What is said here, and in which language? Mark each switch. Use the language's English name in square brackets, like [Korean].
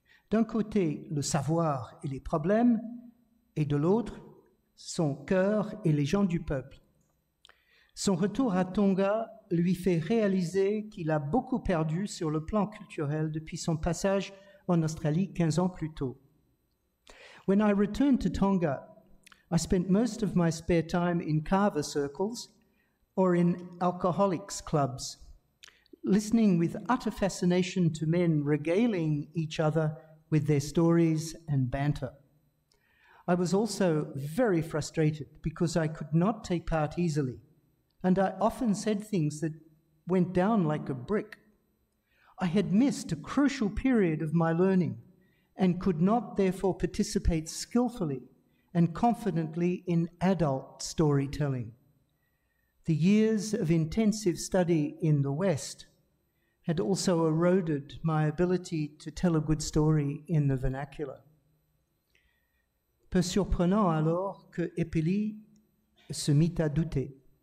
[French] D'un côté, le savoir et les problèmes, et de l'autre, son cœur et les gens du peuple. Son retour à Tonga lui fait réaliser qu'il a beaucoup perdu sur le plan culturel depuis son passage en Australie 15 ans plus tôt. [English] When I returned to Tonga, I spent most of my spare time in carver circles or in alcoholics clubs, listening with utter fascination to men regaling each other with their stories and banter. I was also very frustrated because I could not take part easily, and I often said things that went down like a brick. I had missed a crucial period of my learning and could not therefore participate skillfully and confidently in adult storytelling. The years of intensive study in the West had also eroded my ability to tell a good story in the vernacular. [French] Peu surprenant alors que Eppeli se mit à douter.